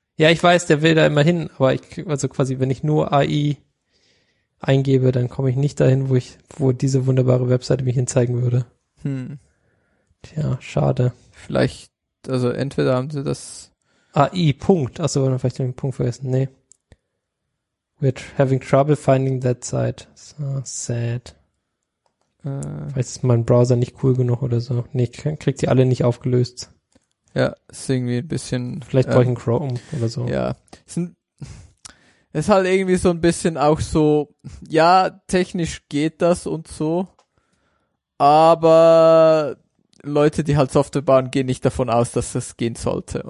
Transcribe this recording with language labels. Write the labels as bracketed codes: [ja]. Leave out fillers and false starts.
[de] Ja, ich weiß, der will da immer hin, aber ich, also quasi, wenn ich nur AI eingebe, dann komme ich nicht dahin, wo diese wunderbare Webseite mich hinzeigen würde. Tja, schade. Vielleicht, also entweder haben sie das. AI, Punkt. Achso, dann vielleicht den Punkt vergessen. Nee. [en] We're having trouble finding that site. So sad. [de] Vielleicht ist mein Browser nicht cool genug oder so. Nee, kriegt die alle nicht aufgelöst. Ja, ist irgendwie ein bisschen. Vielleicht brauche ich einen Chrome oder so. Ja. Ist halt irgendwie so ein bisschen auch so, ja, technisch geht das und so, aber Leute, die halt Software bauen, gehen nicht davon aus, dass das gehen sollte.